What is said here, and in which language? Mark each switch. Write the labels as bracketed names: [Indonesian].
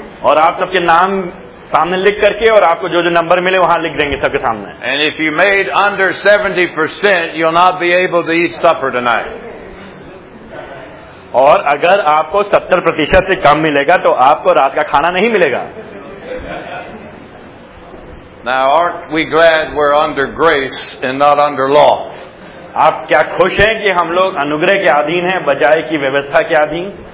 [Hindi] और आप सबके नाम सामने लिख करके और आपको जो जो नंबर मिले वहां लिख देंगे सबके सामने. [English] And if you made under 70% you will not be able to eat supper tonight. [Hindi] और अगर आपको 70% से कम मिलेगा तो आपको रात का खाना नहीं मिलेगा. [English] Now aren't we glad we're under grace and not under law? [Hindi] आप क्या खुश हैं कि हम लोग अनुग्रह के अधीन हैं बजाय की व्यवस्था के अधीन?